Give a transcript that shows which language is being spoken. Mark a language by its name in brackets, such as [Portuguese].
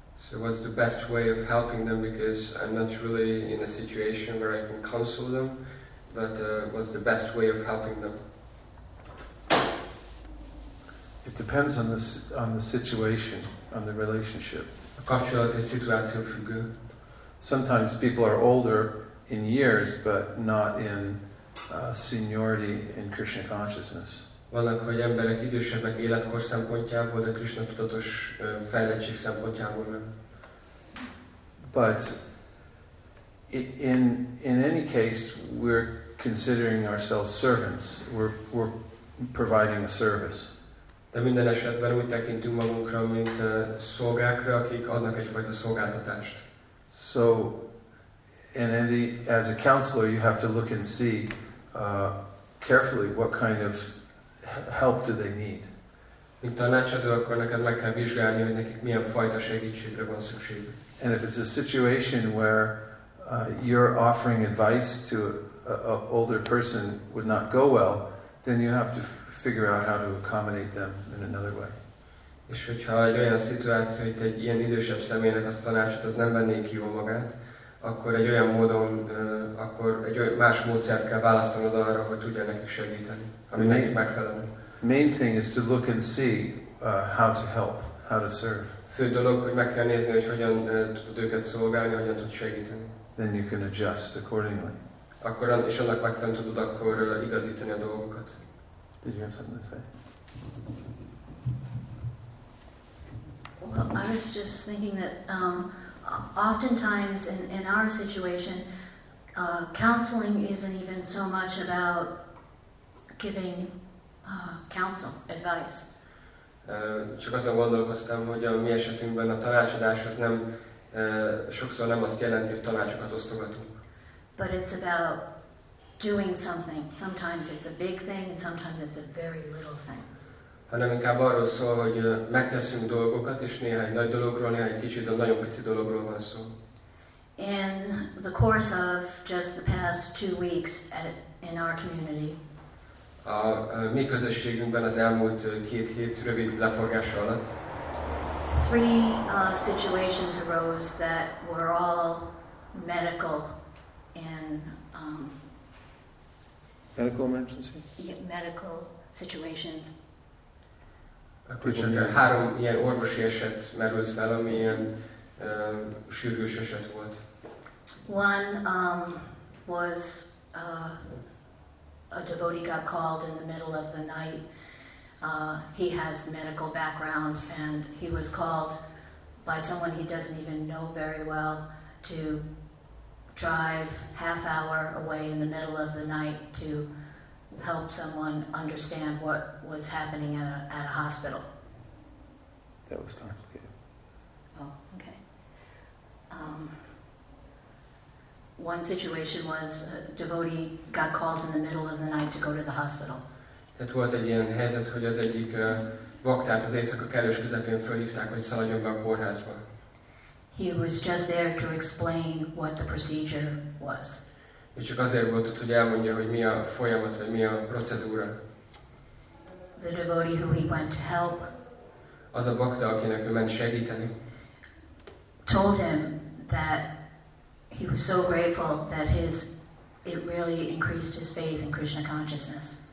[English] So what's the best way of helping them, because I'm not really in a situation where I can counsel them, but what's the best way of helping them? It depends on the situation, on the relationship. [Hungarian] A kapcsolat és szituáció függő. [English] Sometimes people are older in years, but not in seniority in Krishna consciousness. [Hungarian] Vannak, hogy emberek idősebbek életkor szempontjából, de Krishna tudatos fejlettség szempontjából nem. [English] But in any case, we're considering ourselves servants. We're providing a service. [Hungarian] De minden esetben úgy tekintünk magunkra, mint szolgákra, akik adnak egyfajta szolgáltatást. [English] So, and as a counselor, you have to look and see carefully what kind of help do they need? [Hungarian] Mint tanácsadó, akkor neked meg kell vizsgálni, hogy nekik milyen fajta segítségre van szükség. [English] And if it's a situation where you're offering advice to a older person would not go well, then you have to figure out how to accommodate them in another way. [Hungarian] És hogyha egy olyan szituáció, hogy egy ilyen idősebb személynek az tanácsot az nem venné ki jól magát, akkor egy olyan módon, akkor egy olyan más módszert kell választanod arra, hogy tudja nekik segíteni. [English] The main thing is to look and see how to help, how to serve. [Hungarian] Fő dolog, hogy meg kell nézni, hogy hogyan tud őket szolgálni, hogyan tud segíteni. [English] Then you can adjust accordingly. [Hungarian] Akkor és annak megfelelően tudod akkor igazítani a dolgokat. [English] Did you have something to say? Well, I was just thinking that oftentimes in our situation, counseling isn't even so much about giving counsel, advice. [Hungarian] Csak azon gondolkoztam, hogy a mi esetünkben a tanácsadás az nem sokszor nem azt jelenti, hogy tanácsokat osztogatunk. [English] But it's about doing something. Sometimes it's a big thing, and sometimes it's a very little thing. [Hungarian] Hanem inkább arról szól, hogy megteszünk dolgokat, és néha egy nagy dologról, néha egy kicsit, de nagyon pici dologról van szó. [English] in the course of just the past 2 weeks in our community. [Hungarian] A mi közösségünkben az elmúlt két hét rövid leforgása alatt. [English] Three situations arose that were all medical and medical emergency? Yeah, medical situations. [Hungarian] Akkor csak három ilyen orvosi eset merült fel, ami ilyen sürgős eset volt. [English] One was a devotee got called in the middle of the night. He has medical background and he was called by someone he doesn't even know very well to drive half hour away in the middle of the night to help someone understand what was happening at a hospital. That was complicated. Oh, okay. One situation was a devotee got called in the middle of the night to go to the hospital. [Hungarian] Tehát volt egy ilyen helyzet, hogy az egyik vaktát az éjszaka kellős közepén fölhívták, hogy szaladjon be a kórházba. [English] He was just there to explain what the procedure was. [Hungarian] Ő csak azért volt ott, hogy elmondja, hogy mi a folyamat, vagy mi a procedúra. [English] The devotee who he went to help. [Hungarian] Az a vakta, akinek ő ment segíteni. [English] Told him that he was so grateful that it really increased his faith in Krishna consciousness.